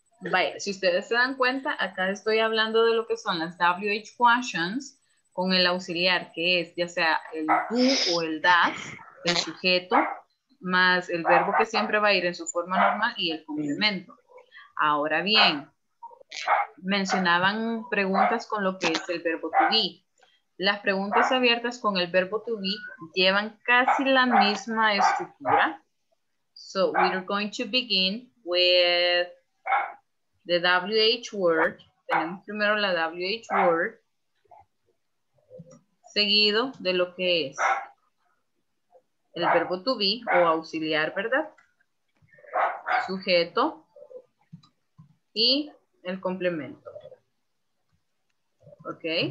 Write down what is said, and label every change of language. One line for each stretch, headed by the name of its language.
Spanish: Vaya, si ustedes se dan cuenta, acá estoy hablando de lo que son las WH questions con el auxiliar, que es ya sea el do o el does, el sujeto, más el verbo que siempre va a ir en su forma normal y el complemento. Ahora bien, mencionaban preguntas con lo que es el verbo to be. Las preguntas abiertas con el verbo to be llevan casi la misma estructura.
English: So we're going to begin with the WH word.
Spanish: Tenemos primero la WH word, seguido de lo que es el verbo to be o auxiliar, ¿verdad? Sujeto y el complemento. ¿Ok?